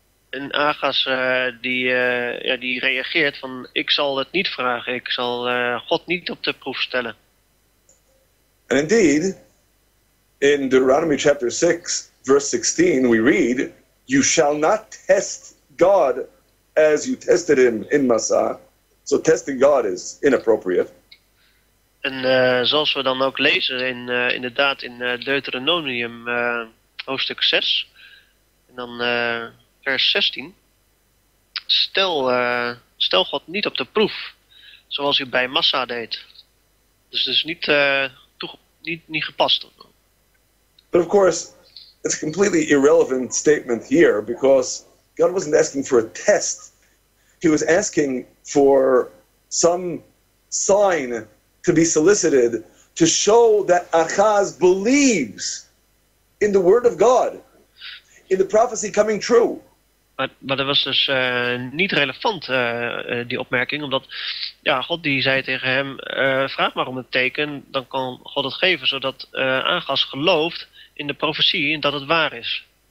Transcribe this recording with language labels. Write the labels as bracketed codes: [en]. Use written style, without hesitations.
[nl] En Ahaz die reageert van ik zal het niet vragen. Ik zal God niet op de proef stellen. [en] And indeed, in Deuteronomy chapter 6, verse 16, we read, you shall not test God as you tested him in Massah. So testing God is inappropriate. [nl] En zoals we dan ook lezen inderdaad in Deuteronomium hoofdstuk 6. En dan vers 16. Stel God niet op de proef, zoals u bij Massah deed. Dus niet... Niet gepast. [en] But of course, it's a completely irrelevant statement here because God wasn't asking for a test. He was asking for some sign to be solicited to show that Ahaz believes in the word of God, in the prophecy coming true. [nl] Maar dat was dus niet relevant, die opmerking. Omdat ja, God die zei tegen hem, vraag maar om het teken, dan kan God het geven. Zodat Ahaz gelooft in de profetie en dat het waar is.